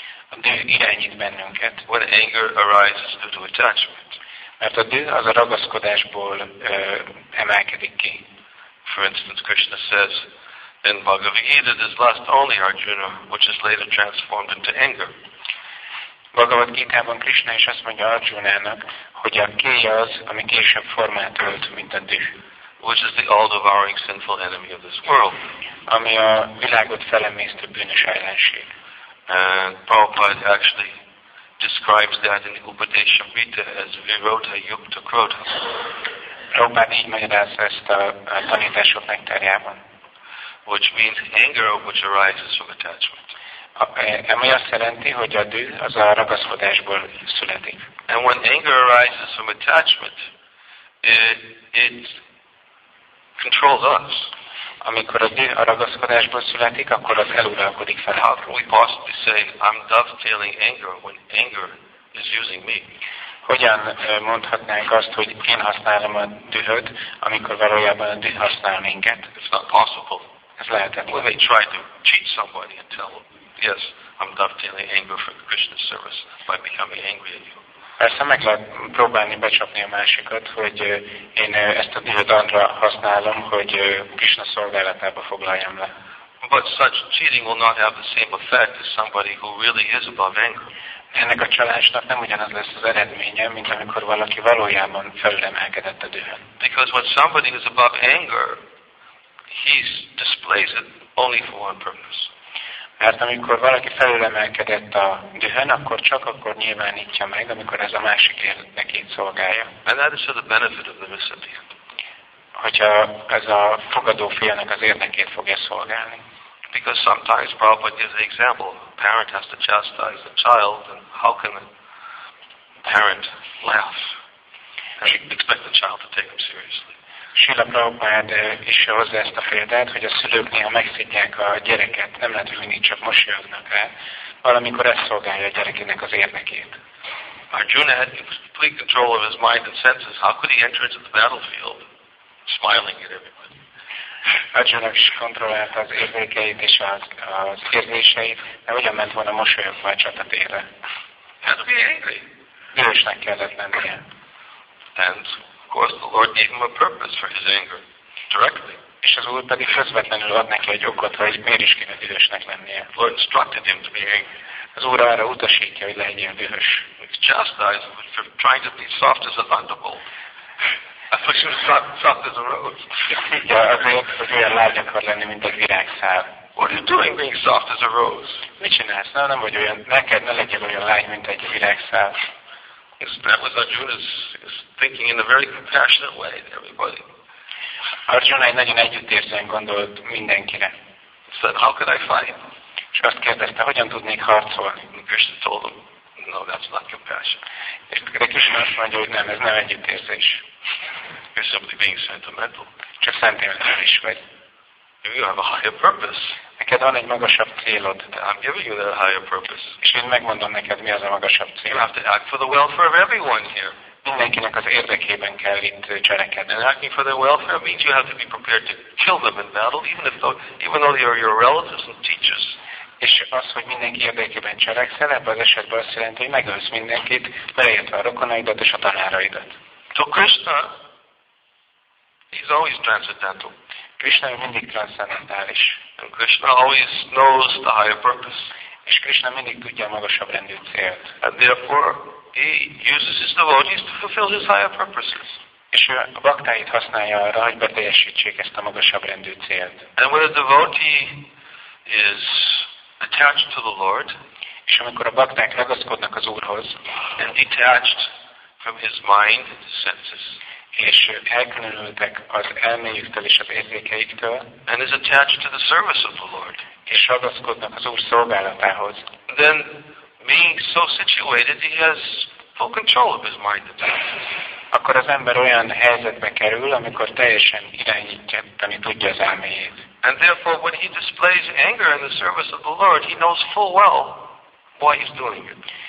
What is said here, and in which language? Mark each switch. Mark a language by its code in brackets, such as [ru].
[hu] A düh irányít bennünket. [en] When anger arises due to attachment. [hu] Mert a düh az a ragaszkodásból emelkedik ki. [en] For instance, Krishna says in Bhagavad Gita, this lust only Arjuna, which is later transformed into anger. [hu] Bhagavad Gita-ban Krishna is azt mondja Arjuna-nak, hogy a kéj az, ami később formát ölt, mint a düh. [en] Which is the all-devouring sinful enemy of this world. [hu] Ami a világot felemésztő bűnös ellenség. [en] And Prabhupada actually describes that in the Upadeshamrita as Virodha Yukta Krodha. [hu] Prabhupada így magyarázza ezt a tanítások nektárjában. [en] Which means anger which arises from attachment. [hu] Ami azt jelenti, hogy a düh az a ragaszkodásból születik. [en] And when anger arises from attachment, it controls us. [hu] Amikor a düh a ragaszkodásból születik, akkor az eluralkodik fel. [en] How can we possibly say, I'm dovetailing anger when anger is using me? [hu] Hogyan mondhatnánk azt, hogy én használom a dühöt, amikor valójában a düh használ minket? [en] It's not possible. [hu] Ez lehetetlen. [en] We may try to cheat somebody and tell them. Yes, I'm dovetailing anger for Krishna's service by becoming angry at you. [hu] Persze meg lehet próbálni becsapni a másikat, hogy én ezt a dühöt arra használom, hogy Krishna szolgálatába foglaljam le. [en] But such cheating will not have the same effect as somebody who really is above anger. [hu] Ennek a csalásnak nem ugyanaz lesz az eredménye, mint amikor valaki valójában felülemelkedett a dühön. [en] Because when somebody is above anger, he displays it only for one purpose. [hu] Mert amikor valaki felülemelkedett a dühön, akkor csak akkor nyilvánítja meg, amikor ez a másik érdekét szolgálja. [en] And that is for the benefit of the recipient. [hu] Hogyha ez a fogadó fiának az érdekét fogja szolgálni. [en] Because sometimes Prabhupada gives the example, a parent has to chastise a child, and how can a parent laugh and expect the child to take him seriously? [hu] Srila Prabhupada is hozza ezt a példát, hogy a szülők néha megszidják a gyereket, nem lehet, hogy mindig csak mosolyognak rá, valamikor ez szolgálja a gyerekének az érdekét. [en] Arjuna had complete control of his mind and senses. How could he enter into the battlefield smiling at everybody? [hu] Arjuna is kontrollálta az érzékeit és az érzéseit, de hogyan ment volna mosolyogva a csatatérre? [en] He had to be angry. [hu] bűnösnek kellett lennie. [en] And of course the Lord gave him a purpose for his anger directly. [hu] És az Úr pedig közvetlenül ad neki egy okot, hogy miért is kéne dühösnek lennie. [en] The Lord instructed him to be angry. [hu] Az Úr arra utasítja, hogy legyen dühös. [en] He chastised him for trying to be soft as a thunderbolt. What are you doing being soft as a rose? [hu] Mit csinálsz? No, nem vagy olyan, neked ne legyél olyan lágy, mint egy virágszál. [en] Yes, that was Arjuna's thinking in a very compassionate way to everybody. [hu] Arjuna egy nagyon együttérzően gondolt mindenkire. [en] He said, how could I fight? [hu] És azt kérdezte, hogyan tudnék harcolni? [en] And Krishna told him, no, that's not compassion. [hu] És Krishna azt mondja, hogy nem, ez nem együttérzés. [en] You're simply being sentimental. [hu] Csak szentimentális vagy. [en] You have a higher purpose. [hu] Neked van egy magasabb célod. [en] I'm giving you that higher purpose. [hu] És én megmondom neked, mi az a magasabb cél. [en] You have to act for the welfare of everyone here. [hu] Mindenkinek az érdekében kell itt cselekedni. [en] And acting for their welfare means you have to be prepared to kill them in battle, even though they are your relatives and teachers. [hu] És az, hogy mindenki érdekében cselekszel, ebben az esetben azt jelenti, hogy megölsz mindenkit, beleértve a rokonaidat és a tanáraidat. [en] So Krishna, he's always transcendental. [hu] Krishna mindig transzcendentális. [en] And Krishna always knows the higher purpose. [hu] És Krishna mindig tudja a magasabb rendű célt. [en] And therefore, he uses his devotees to fulfill his higher purposes. [hu] És a baktáit használja arra, hogy beteljesítsék ezt a magasabb rendű célt. [en] And when a devotee is attached to the Lord, [hu] és amikor a bakták ragaszkodnak az Úrhoz, [en] and detached from his mind and his senses, [hu] és elkülönültek az elméjüktől és az érzékeiktől, [en] and is attached to the service of the Lord, [hu] és ragaszkodnak az Úr szolgálatához, [en] then being so situated, he has full control of his mind and senses. [hu] Akkor az ember olyan helyzetbe kerül, amikor teljesen irányítani tudja az elméjét. [en] And therefore, when he displays anger in the service of the Lord, he knows full well why he's doing it.